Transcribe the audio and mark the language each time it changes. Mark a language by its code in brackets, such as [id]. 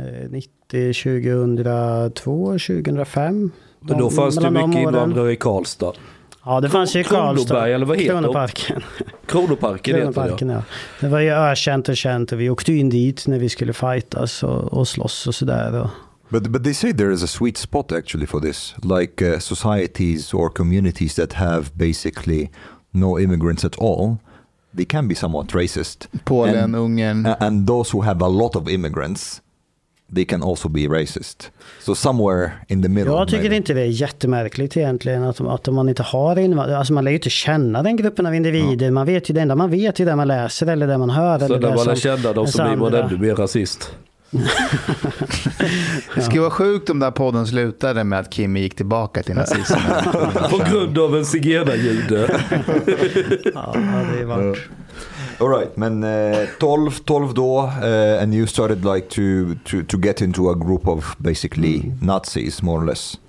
[sv] 90, 2002, 2005. Men då fanns det mycket invandrare i Karlstad. Ja, det fanns ju i Karlstad. Kronoberg, eller vad heter Kronoparken. Kronoparken heter Kronoparken, ja. Det var ju ökänt och känt. Vi åkte in dit när vi skulle fightas och slåss och sådär. [en] But they say there is a sweet spot actually for this. Like societies or communities that have basically no immigrants at all. They can be somewhat racist. Polen, and, Ungern. And those who have a lot of immigrants, they can also be racist. So somewhere in the middle. [sv] Jag tycker inte det är jättemärkligt egentligen att om man inte har invandrare. Alltså man lär ju inte känna den gruppen av individer. Ja. Man vet ju det enda man vet i det man läser eller det man hör. Så eller där man lär känna dem så blir man ännu mer rasist. Det skulle vara sjukt om där podden slutade med att Kimmy gick tillbaka till nazismen på grund av en zigenarjude. Ja, det är vart. [en] All right, [sv] men 12 då, [en] and you started like to get into a group of basically Nazis more or less.